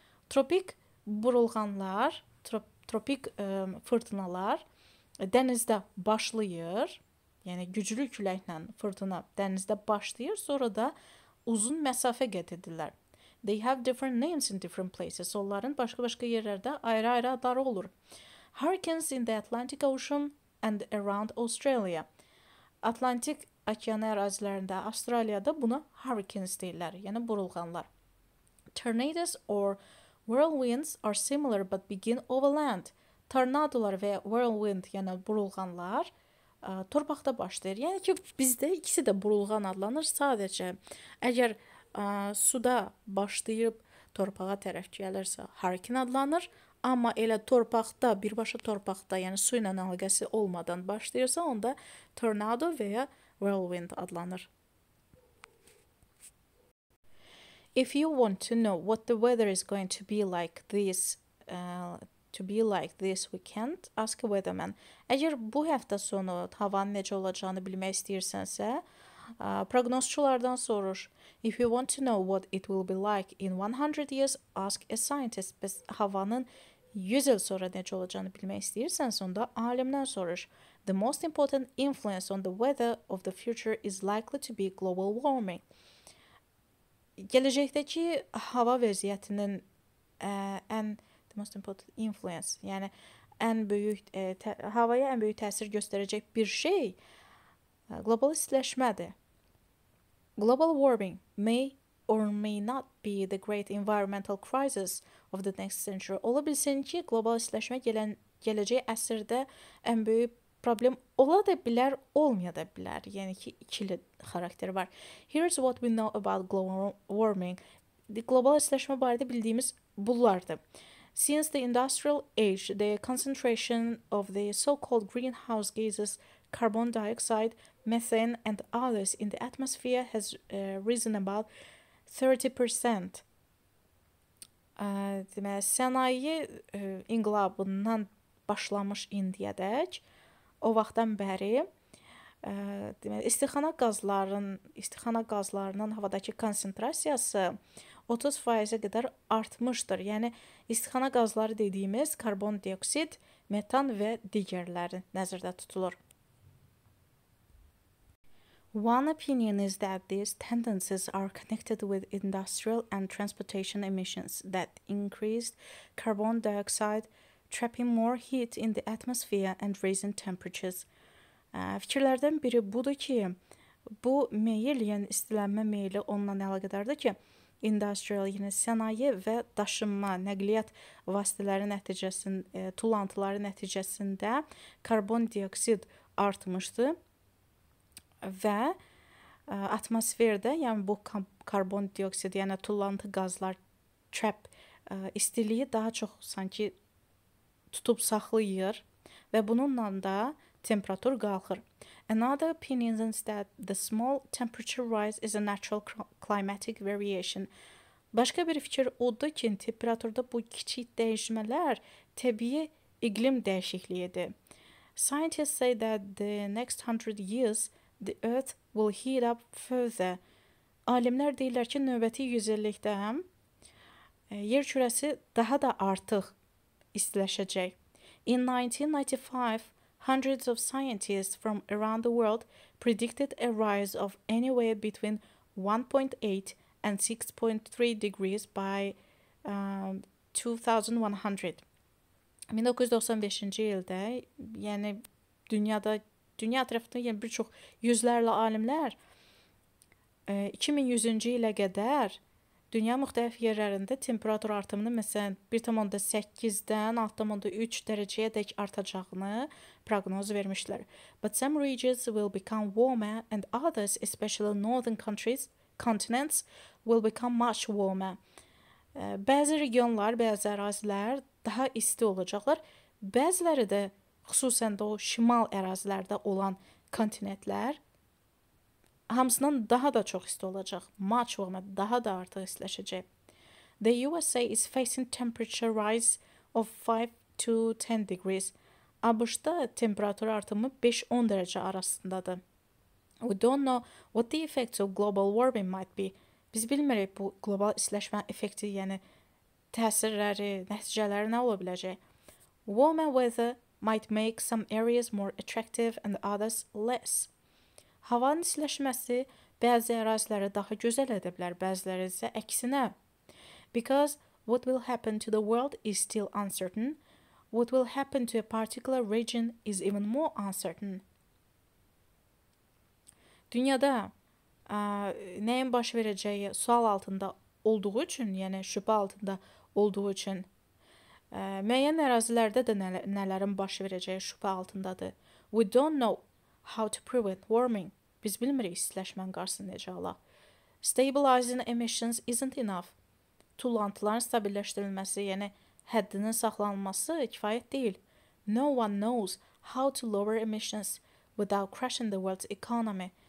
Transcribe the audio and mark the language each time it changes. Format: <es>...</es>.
<az>Tropik burulğanlar, tropik fırtınalar dənizdə başlayır, yəni güclü küləklə fırtına dənizdə başlayır, sonra da uzun məsafə qət edirlər.</az> <en>They have different names in different places.</en> <az>Onların başqa-başqa yerlərdə ayrı-ayrı adları olur.</az> <en>Hurricanes in the Atlantic Ocean and around Australia.</en> <az>Atlantik okeanı ərazilərində, Avstraliyada buna hurricanes deyirlər, yəni burulğanlar.</az> <en>Tornadoes or whirlwinds are similar but begin over land.</en> <az>Tornadolar və whirlwind, yəni burulğanlar, torpaqda başlayır. Yəni ki, bizdə ikisi də burulğan adlanır, sadəcə əgər suda başlayıb torpağa tərəf gəlirsə, hurricane adlanır. Amma elə torpaqda, birbaşa torpaqda, yəni su ilə əlaqəsi olmadan başlayırsa, onda tornado və ya whirlwind adlanır.</az> <en>If you want to know what the weather is going to be like this to be like this weekend, ask a weatherman.</en> <az>Əgər bu həftə sonu havanın necə olacağını bilmək istəyirsənsə, prognozçulardan soruş.</az> <en>If you want to know what it will be like in 100 years, ask a scientist.</en> <az>Bəs havanın 100 il sonra necə olacağını bilmək istəyirsənsə, onda alimdən soruş.</az> <en>The most important influence on the weather of the future is likely to be global warming.</en> <az>Gələcəkdəki hava vəziyyətinin ən</az> <en>the most important influence,</en> <az>yəni ən böyük havaya ən böyük təsir göstərəcək bir şey global istiləşmədir.</az> <en>Global warming may or may not be the great environmental crisis of the next century.</en> <az>Ola bilsin ki, global istiləşmə gələcək əsrdə ən böyük problem ola da bilər, olmaya da bilər. Yəni ki, ikili xarakter var.</az> <en>Here's what we know about global warming.</en> <az>Global istiləşmə barədə bildiyimiz bunlardır.</az> <en>Since the industrial age, the concentration of the so-called greenhouse gases, carbon dioxide, methane and others in the atmosphere has risen about 30%.</en> <az>Deməli, sənaye inqilabından başlamış indiyədək, o vaxtdan bəri deməli, istixana qazlarının havadakı konsentrasiyası 30%-ə qədər artmışdır. Yəni, istixana qazları dediyimiz karbon dioksid, metan və digərləri nəzərdə tutulur.</az> <en>One opinion is that these tendencies are connected with industrial and transportation emissions that increased carbon dioxide, trapping more heat in the atmosphere and raising temperatures.</en> <az>Fikirlərdən biri budur ki, bu meyil, yəni istilənmə meyili onunla əlaqədardır ki, industrial, yəni sənaye və daşınma, nəqliyyat vasitələri nəticəsində, tullantıları nəticəsində karbon dioksid artmışdır. Və atmosferdə, yəni bu karbon dioksid, yəni tullantı qazlar, trap istiliyi daha çox sanki tutub saxlayır və bununla da temperatur qalxır.</az> <en>Another opinion is that the small temperature rise is a natural climatic variation.</en> <az>Başqa bir fikir odur ki, temperaturda bu kiçik dəyişmələr təbii iqlim dəyişikliyidir.</az> <en>Scientists say that the next 100 years the earth will heat up further.</en> <az>Alimlər deyirlər ki, növbəti 100 illikdə yer kürəsi daha da artıq istiləşəcək.</az> <en>In 1995, hundreds of scientists from around the world predicted a rise of anywhere between 1.8 and 6.3 degrees by 2100.</en> <az>1995-ci ildə, yəni dünya ətrafında yəni bir çox yüzlərlə alimlər 2100-cü ilə qədər dünya müxtəlif yerlərində temperatur artımının məsələn 1.8-dən 6.3 dərəcəyə dək artacağını proqnoz vermişlər.</az> <en>But some regions will become warmer and others, especially northern countries, continents, will become much warmer.</en> <az>Bəzi regionlar, bəzi ərazilər daha isti olacaqlar. Bəziləri də, xüsusən də o şimal ərazilərdə olan kontinentlər, hamısından daha da çox isti olacaq.</az> <en>Much warmer,</en> <az>daha da artıq istiləşəcək.</az> <en>The USA is facing temperature rise of 5 to 10 degrees.</en> <az>ABŞ-da temperatur artımı 5-10 dərəcə arasındadır.</az> <en>We don't know what the effects of global warming might be.</en> <az>Biz bilmirik bu global istiləşmə effekti, yəni təsirləri, nəticələri nə ola biləcək.</az> <en>Warmer weather might make some areas more attractive and others less.</en> <az>Havanın istiləşməsi bəzi əraziləri daha gözəl edə bilər, bəziləri isə əksinə.</az> <en>Because what will happen to the world is still uncertain, what will happen to a particular region is even more uncertain.</en> <az>Dünyada nəyin baş verəcəyi sual altında olduğu üçün, yəni şübhə altında olduğu üçün, müəyyən ərazilərdə də nələrin baş verəcəyi şübhə altındadır.</az> <en>We don't know how to prevent warming.</en> <az>Biz bilmirik istiləşmənin qarşısını necə alaq.</az> <en>Stabilizing emissions isn't enough.</en> <az>Tullantıların stabilləşdirilməsi, yəni həddinin saxlanılması kifayət deyil.</az> <en>No one knows how to lower emissions without crashing the world's economy.</en>